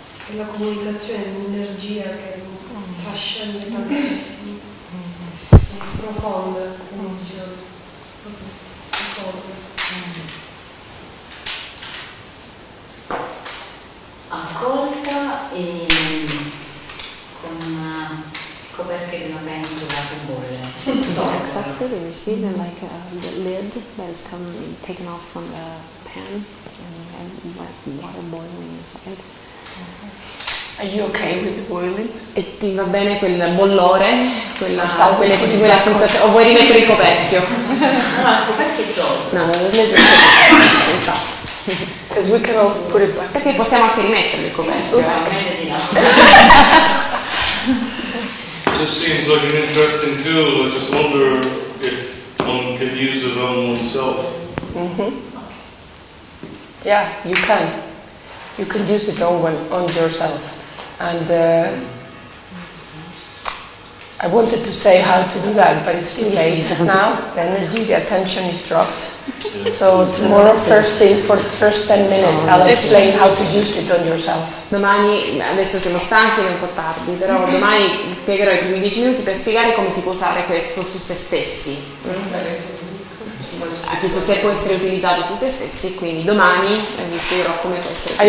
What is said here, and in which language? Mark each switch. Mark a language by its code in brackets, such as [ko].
[it] E la comunicazione è un'energia che fa scendere tantissimo, profonda, emozione, profonda. Accolta e con una coperchia di una pentola che bolle. [en] Exactly, you see, mm-hmm. Then like the lid that is coming, taken off from the pan, and like water boiling inside. Are you okay with the boiling? [it] E ti va bene quel bollore, quella sensazione, o vuoi rimettere il coperchio? No, il coperchio è troppo. No, non è troppo. Perché possiamo anche rimettere il coperchio. [en] This seems like an interesting tool. I just wonder if one can use it on oneself. Mm-hmm. Yeah, you can. You can use it on yourself. And I wanted to say how to do that, but it's too late now. The energy, the attention is dropped. So tomorrow, first thing, for the first 10 minutes, I'll explain how to use it on yourself. [it] Domani, adesso siamo stanchi, è un po' tardi, però domani spiegherò i primi 10 minuti per spiegare come si può usare questo su se stessi. Ha chiesto se può essere utilizzato su se stessi, quindi domani vi spiegherò come può essere.